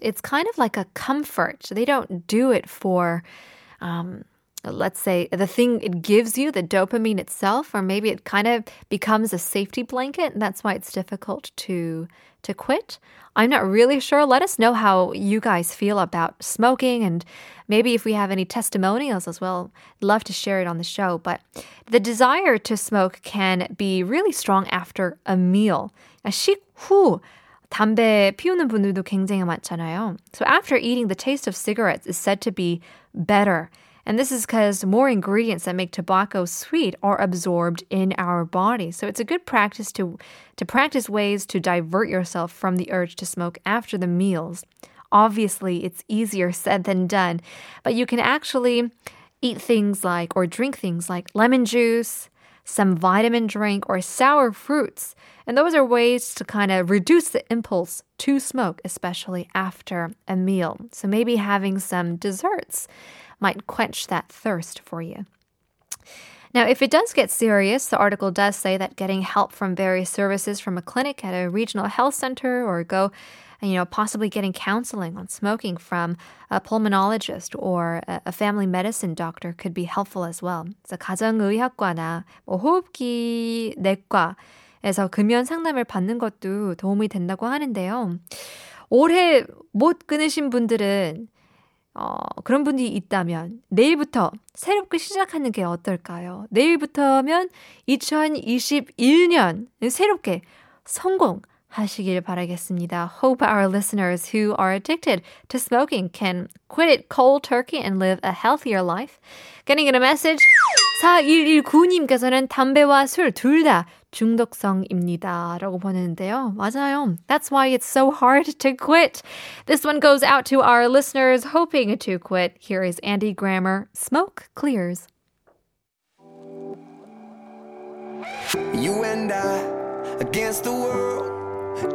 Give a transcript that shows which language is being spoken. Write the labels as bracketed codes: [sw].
[en] It's kind of like a comfort. They don't do it for let's say, the thing it gives you, the dopamine itself, or maybe it kind of becomes a safety blanket, and that's why it's difficult to quit. I'm not really sure. Let us know how you guys feel about smoking, and maybe if we have any testimonials as well, love to share it on the show. But the desire to smoke can be really strong after a meal. [ko] 식후 담배 피우는 분들도 굉장히 많잖아요. [en] So after eating, the taste of cigarettes is said to be better. And this is because more ingredients that make tobacco sweet are absorbed in our body. So it's a good practice to practice ways to divert yourself from the urge to smoke after the meals. Obviously, it's easier said than done. But you can actually eat things like or drink things like lemon juice, some vitamin drink, or sour fruits. And those are ways to kind of reduce the impulse to smoke, especially after a meal. So maybe having some desserts might quench that thirst for you. Now, if it does get serious, the article does say that getting help from various services from a clinic at a regional health center or go, you know, possibly getting counseling on smoking from a pulmonologist or a family medicine doctor could be helpful as well. [ko] 가정의학과나 호흡기 내과에서 금연 상담을 받는 것도 도움이 된다고 하는데요. 올해 못 끊으신 분들은 그런 분이 있다면 내일부터 새롭게 시작하는 게 어떨까요? 내일부터면 2021년 새롭게 성공하시길 바라겠습니다. [en] Hope our listeners who are addicted to smoking can quit it cold turkey and live a healthier life. Getting in a message. [ko] 4119님께서는 담배와 술 둘 다 중독성입니다 라고 보냈는데요. 맞아요. [en] That's why it's so hard to quit. This one goes out to our listeners hoping to quit. Here is Andy Grammer. Smoke clears. You and I, against the world.